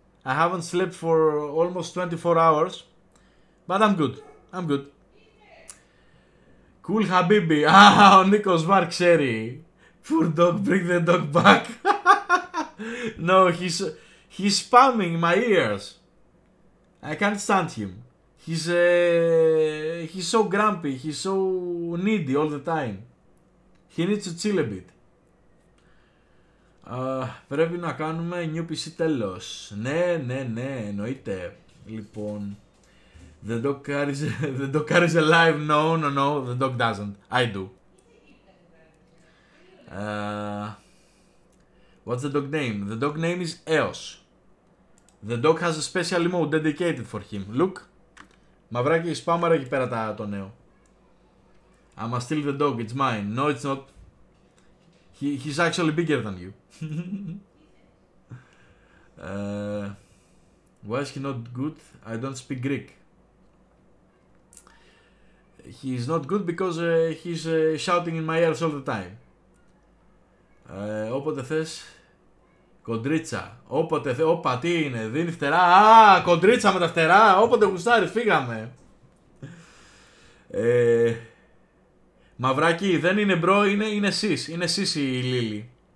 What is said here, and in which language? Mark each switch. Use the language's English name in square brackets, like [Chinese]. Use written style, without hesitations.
[English] I haven't slept for almost 24 hours. But I'm good. Cool, Habibi. [Greek] Ah, ο Νίκος Μαρ ξέρει. [English] Poor dog, bring the dog back. No, he's spamming my ears. I can't stand him. He's so grumpy. He's so needy all the time. He needs to chill a bit. [Greek] Πρέπει να κάνουμε [English] new PC [Greek] τέλος. Ναι, εννοείται. Λοιπόν... [English] The dog carries a live, no, the dog doesn't, I do. What's the dog name? The dog name is Eos. The dog has a special emote dedicated for him. Look, [Greek] μαυράκι, σπάμαρα εκεί πέρα το νέο. [English] I'm still the dog, it's mine. No, it's not. He's actually bigger than you. Why is he not good? I don't speak Greek. He's not good because he's shouting in my ears all the time. [Greek] Όποτε θες, κοντρίτσα. Όποτε θες, όπα, τι είναι, δίνει φτερά. Α, κοντρίτσα με τα φτερά, όποτε γουστάρεις, φύγαμε. Μαυράκι, δεν είναι μπρο, είναι σεις. Είναι σεις η Λίλη.